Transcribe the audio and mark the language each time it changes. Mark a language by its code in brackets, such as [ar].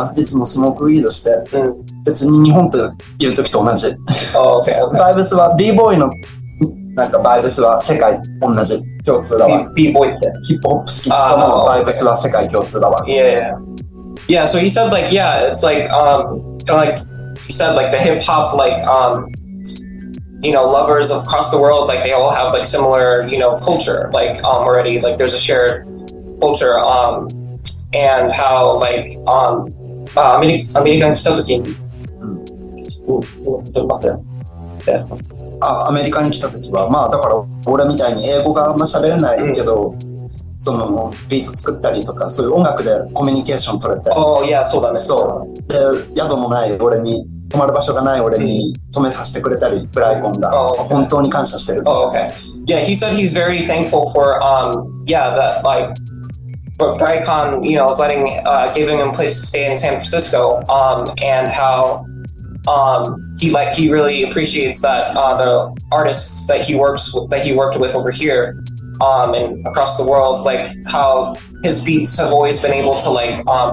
[ja] ホテル泊まる場所がないのにブライコンの家に泊めてくれたりとかしてたから、もうとにかく感謝しかないです。自分と付き合ってくれて。はい。あと違う、この間会ったさ、パパの人たち、その人たち。その人たちの、なんていうの、文化、そういう。ああ、それは特に感じないかな。いつもスモークウィードして。別に日本といる時と同じ。バイブスはB-boyの、なんかバイブスは世界同じ共通だわ。B-boyってヒップホップ好きとのバイブスは世界共通だわ。 [en] Yeah, so he said like, yeah, it's like, kind of like you said, like the hip hop, like, you know, lovers across the world, like they all have like similar, you know, culture, like already, like there's a shared culture, and how like American stuff came. Mm. [ja] アメリカに来た時はまあだから俺みたいに英語があんま喋れないけど、うん、そのビート作ったりとかそういう音楽でコミュニケーション取れて、 [en] oh, yeah, [ja] そうだね、そうで宿もない俺に泊まる場所がない俺に泊めさせてくれたり、ブライコンが、 [en] oh, okay. [ja] 本当に感謝してる、 [en] oh, okay. Yeah, he said he's very thankful for yeah, that like Brycon, you know, letting, giving him place to stay in San Francisco, and howhe like he really appreciates that the artists that he works with, that he worked with over here and across the world, like how his beats have always been able to like